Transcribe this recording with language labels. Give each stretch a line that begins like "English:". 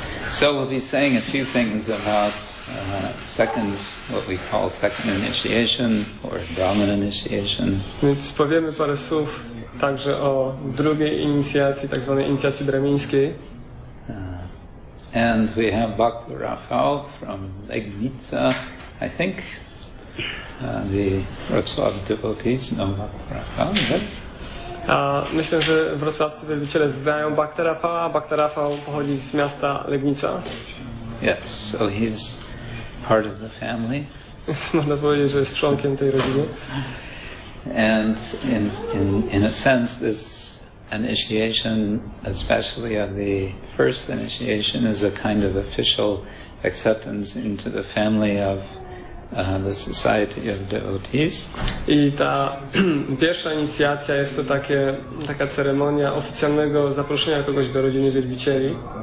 English: So we'll be saying a few things about second, what we call second initiation or Brahman initiation.
Polish: Więc powiemy parę słów także o drugiej inicjacji, tak zwanej inicjacji bramińskiej.
English: And we have Bhakta Rafał from Legnica, I think. The Wrocław devotees know Bhakta Rafał, yes?
Polish: Myślę, że wrocławscy wielbiciele znają Bhakta Rafała, a Bhakta Rafał pochodzi z miasta Legnica.
English: Yes, so he's part of the family.
Polish: Można powiedzieć, że jest członkiem tej rodziny.
English: And in a sense this initiation, especially of the first initiation, is a kind of official acceptance into the family of the society of devotees.
Polish: I ta pierwsza inicjacja jest to taka ceremonia oficjalnego zaproszenia kogoś do rodziny wielbicieli.